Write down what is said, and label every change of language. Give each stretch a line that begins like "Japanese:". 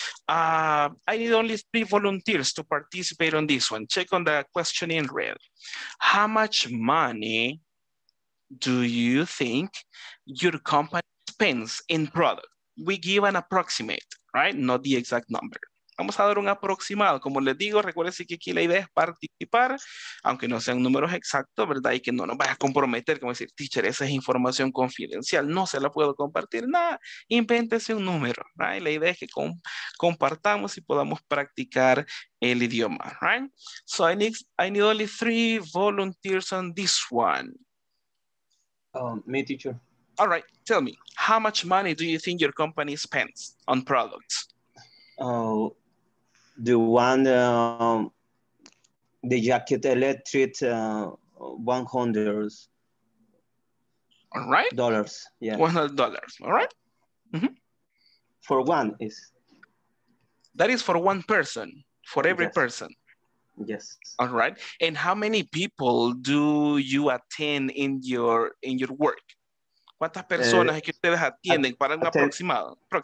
English: I need only 3 volunteers to participate on this one. Check on the question in red. How much money do you think your company spends in product? We give an approximate, right? Not the exact number.
Spanish: Vamos a dar un aproximado. Como les digo, recuérdense que aquí la idea es participar, aunque no sean números exactos, ¿verdad? Y que no nos vaya a comprometer, como decir, teacher, esa es información confidencial, no se la puedo compartir. Nada, invéntese un número, ¿verdad? Y la idea es que compartamos y podamos practicar el idioma, ¿verdad?
English: So I need only 3 volunteers on this one. Me, teacher. All right, tell me, how much money do you think your company spends on products? The one, the jacket electric, $100. All right. Dollars, yeah. $100, all right. Mm-hmm. For one is. That is for one person, for every yes. person. Yes. All right. And how many people do you attend in your work?
Spanish: ¿Cuántas personas es que ustedes atienden para un aproximado?